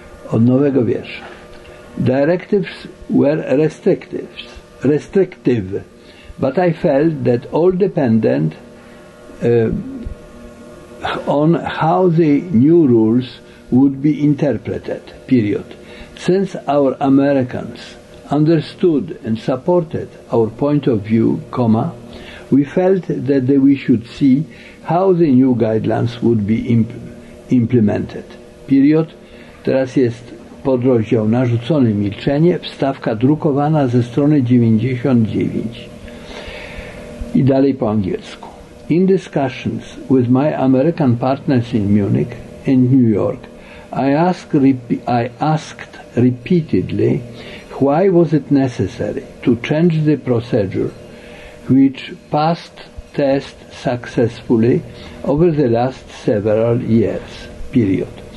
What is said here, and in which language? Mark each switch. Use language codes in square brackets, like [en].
[pl] Od nowego wiersza. [en] Directives were restrictive, but I felt that all depended on how the new rules would be interpreted, period. Since our Americans understood and supported our point of view, we felt that we should see how the new guidelines would be implemented, period. [pl] Teraz jest podrozdział narzucone milczenie, wstawka drukowana ze strony 99 i dalej po angielsku. [en] In discussions with my American partners in Munich and New York, I asked repeatedly why was it necessary to change the procedure which passed test successfully over the last several years, period.